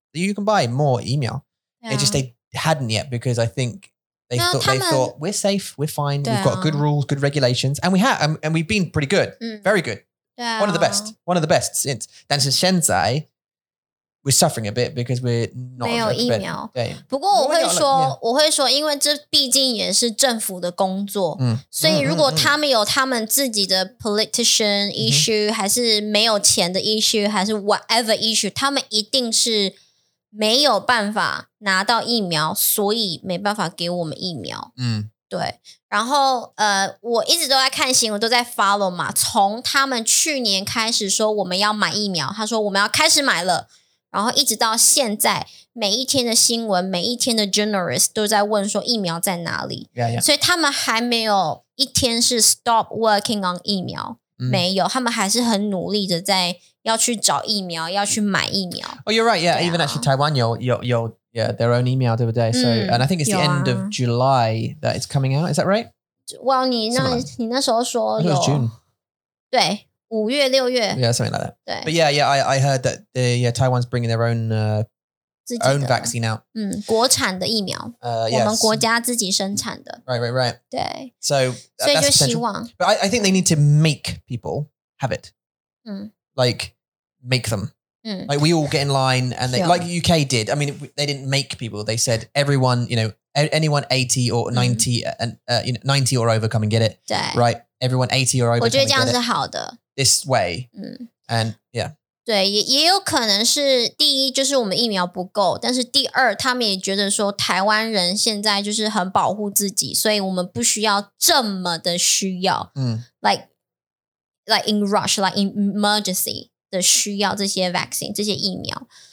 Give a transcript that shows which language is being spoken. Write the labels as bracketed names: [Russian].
[English] You can buy more [Chinese] 疫苗、啊、 [English] It just they hadn't yet because I thinkThey thought, we're safe, we're fine,、啊、 we've got good rules, good regulations, and we have, and we've been pretty good,、嗯、 very good.、啊、 one of the best since. [Chinese] 但是现在 [English] we're suffering a bit because we're not [Chinese] 没有疫苗。对，不过我会说，因为这毕竟也是政府的工作，嗯，所以如果他们有他们自己的 [English] politician issue,、 [Chinese] 嗯、还是没有钱的 issue, 还是 [English] whatever issue, [Chinese] 他们一定是没有办法拿到疫苗，所以没办法给我们疫苗。嗯，对。然后我一直都在看新闻，都在 [English] follow [Chinese] 嘛。从他们去年开始说我们要买疫苗，他说我们要开始买了，然后一直到现在，每一天的新闻，每一天的 [English] journalist [Chinese] 都在问说疫苗在哪里。 [English] Yeah, yeah. [Chinese] 所以他们还没有一天是 [English] stop working on [Chinese] 疫苗。没有，他们还是很努力的在要去找疫苗，要去买疫苗。 [English] Oh, you're right. Yeah, even actually Taiwan [Chinese] 有 [English] yeah, their own [Chinese] 疫苗，对不对？ [English] So, and I think it's the end of July that it's coming out. Is that right? Well, [Chinese] 你那时候说有 [English] June. [Chinese] 对，五月六月。 [English] Yeah, something like that. [Chinese] 对。 [English] But yeah, yeah, I heard that the yeah Taiwan's bringing their own vaccine out. [Chinese] 嗯，国产的疫苗。 [English] Yes. [Chinese] 我们国家自己生产的。 [English] Right, right, right. [Chinese] 对。 [English] So that's potential. [Chinese] 所以就希望。 [English] But I think they need to make people have it. 嗯。 Like, make them.、 Mm. Like, we all get in line and they,、yeah. like UK did. I mean, they didn't make people. They said everyone, you know, anyone 80 or 90,、mm. and, you know, 90 or over, come and get it. Right? Everyone 80 or over, come and get it. [Chinese] 我觉得这样是好的。 [English] This way.、 Mm. And, yeah. [Chinese] 对 也有可能是第一就是我们疫苗不够，但是第二他们也觉得说台湾人现在就是很保护自己，所以我们不需要这么的需要。嗯、mm. [English] Like in rush, like in emergency [Chinese] 的需要这些 [English] vaccine, [Chinese] 这些疫苗。